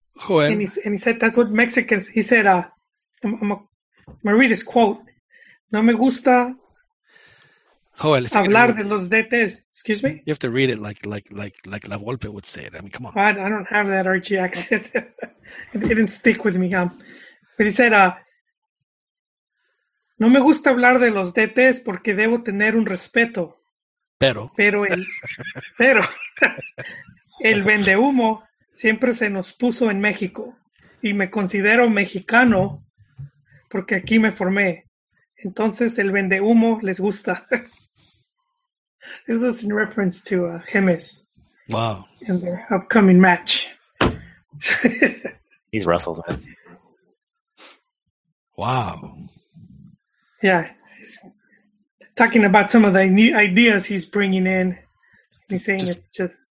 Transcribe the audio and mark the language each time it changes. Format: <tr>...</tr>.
<en>And he said, that's what Mexicans, he said, I'm gonna read his quote.</en> <es>No me gusta Joel, hablar de los DTs.</es> <en>Excuse me? You have to read it like La Volpe would say it. I mean, come on. I don't have that RG accent. It didn't stick with me. But he said,</en> <es>no me gusta hablar de los DTs porque debo tener un respeto. Pero el vendehumo siempre se nos puso en México. y me considero mexicano porque aquí me formé. Entonces el vende humo les gusta.</es> <en>This was in reference to Jemez. Wow. In their upcoming match. He's wrestled, man. Wow. Yeah. He's talking about some of the new ideas he's bringing in. He's saying just it's just...</en>